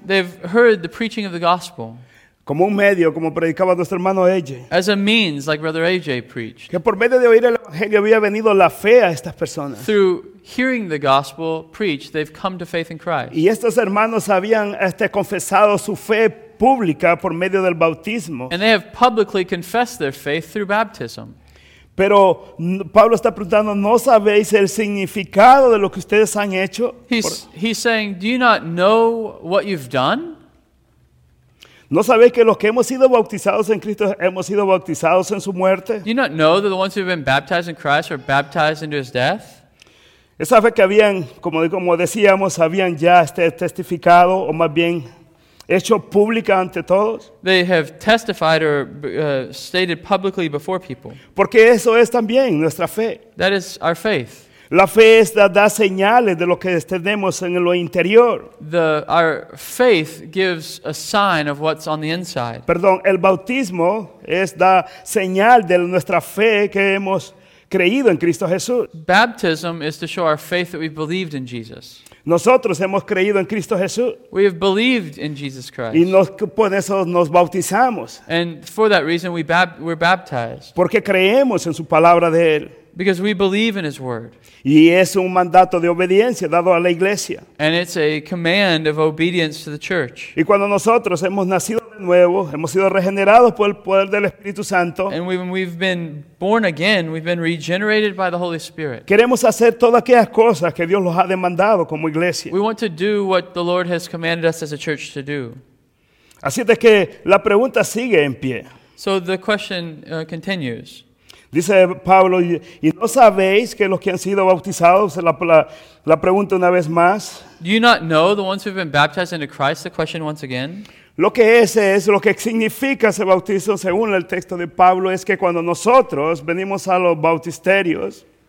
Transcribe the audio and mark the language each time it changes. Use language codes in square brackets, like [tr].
[en] They've heard the preaching of the gospel. [es] Como un medio, como predicaba nuestro hermano AJ. [en] As a means, like brother AJ preached. [es] Que por medio de oír el Evangelio había venido la fe a estas personas. [en] Through hearing the gospel preached, they've come to faith in Christ. [es] Y estos hermanos habían confesado su fe pública por medio del bautismo. [en] And they have publicly confessed their faith through baptism. [es] Pero Pablo está preguntando, ¿no sabéis el significado de lo que ustedes han hecho? [en] He's saying, do you not know what you've done? [es] ¿No sabéis que los que hemos sido bautizados en Cristo hemos sido bautizados en su muerte? [en] Do you not know that the ones who have been baptized in Christ are baptized into his death? [es] Esa fe que habían, como decíamos, habían ya testificado, o más bien, hecho pública ante todos. [en] They have testified or stated publicly before people. [es] Porque eso es también nuestra fe. [en] That is our faith. [es] La fe es da señales de lo que tenemos en lo interior. [en] Our faith gives a sign of what's on the inside. [es] Perdón, el bautismo es da señal de nuestra fe que hemos creído en Cristo Jesús. [en] Baptism is to show our faith that we've believed in Jesus. [es] Nosotros hemos creído en Cristo Jesús. [en] We have believed in Jesus Christ. [es] Y por eso nos bautizamos. [en] And for that reason we're baptized. [es] Porque creemos en su palabra de él. [en] Because we believe in his word. [es] Y es un mandato de obediencia dado a la iglesia. [en] And it's a command of obedience to the church. [es] Y cuando nosotros hemos nacido de nuevo, hemos sido regenerados por el poder del Espíritu Santo. [en] And when we've been born again, we've been regenerated by the Holy Spirit. [es] Queremos hacer todas aquellas cosas que Dios nos ha demandado como iglesia. [en] We want to do what the Lord has commanded us as a church to do. [es] Así de que la pregunta sigue en pie. [en] So the question continues. [es] Dice Pablo, ¿y no sabéis que los que han sido bautizados? La pregunta una vez más. [en] Do you not know the ones who have been baptized into Christ? The question once again. [es] Lo que es lo que significa ese bautismo según el texto de Pablo es que cuando nosotros venimos a los bautisterios.